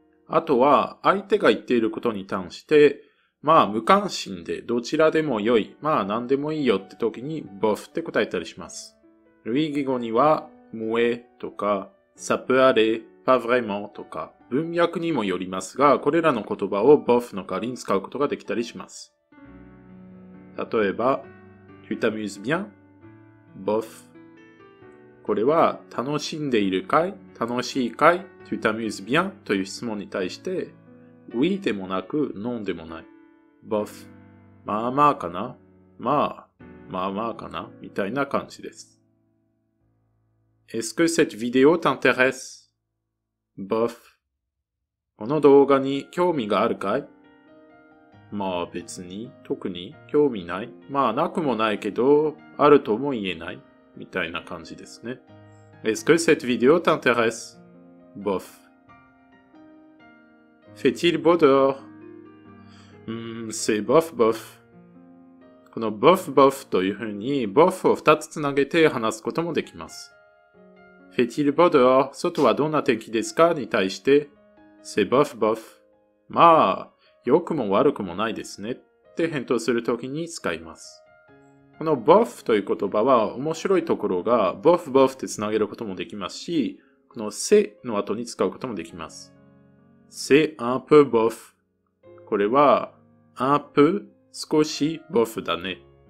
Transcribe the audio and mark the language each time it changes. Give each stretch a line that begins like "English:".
Japanese: あとは相手が言っていることに対して、まあ無関心でどちらでも良い、まあ何でもいいよって時に bof って答えたりします。類義語には moi とか
French: ça peut aller, pas vraiment
Japanese: とか文脈にもよりますが、これらの言葉を bof の代わりに使うことができたりします。
French: 例えば、tu t'amuses bien? bof。
Japanese: これは楽しんでいるかい、楽しいかい、
French: tu t'amuses bien
Japanese: という質問に対して、oui でもなく non でもない、bof、まあまあかな、まあまあまあかなみたいな感じです。
French: Est-ce que cette vidéo t'intéresse? bof。
Japanese: この動画に興味があるかい？まあ別に特に興味ない、まあなくもないけどあるとも言えない。みたいな感じですね。
French: Est-ce que cette vidéo t'intéresse? bof. Fait-il beau dehors? C'est bof bof.
Japanese: この bof bof というふうに bof を2つつなげて話すこともできます。
French: Fait-il beau dehors?
Japanese: 外はどんな天気ですか？に対して
French: C'est bof bof.
Japanese: まあ、良くも悪くもないですね。って返答するときに使います。この bof という言葉は面白いところが bof bof ってつなげることもできますし、この c'est の後に使うこともできます。
French: c'est un peu bof。
Japanese: これは
French: un peu 少し bof だね。